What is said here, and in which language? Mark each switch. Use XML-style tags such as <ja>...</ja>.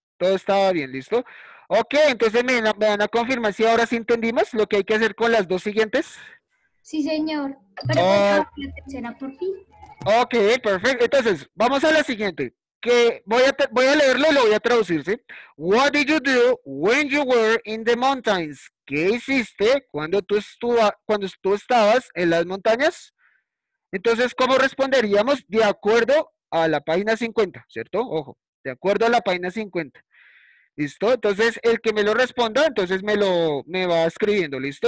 <es>Todo estaba bien, ¿listo? Ok, entonces me van a confirmar si ahora sí entendimos lo que hay que hacer con las dos siguientes. Sí, señor. Pero la tercera por fin. Ok, perfecto. Entonces, vamos a la siguiente. Que voy a leerlo y lo voy a traducir, ¿sí?</es> <en>What did you do when you were in the mountains?</en> <es>¿Qué hiciste cuando tú estabas en las montañas? Entonces, ¿cómo responderíamos? De acuerdo a la página 50, ¿cierto? Ojo, de acuerdo a la página 50. ¿Listo? Entonces, el que me lo responda, entonces me va escribiendo, ¿listo?</es>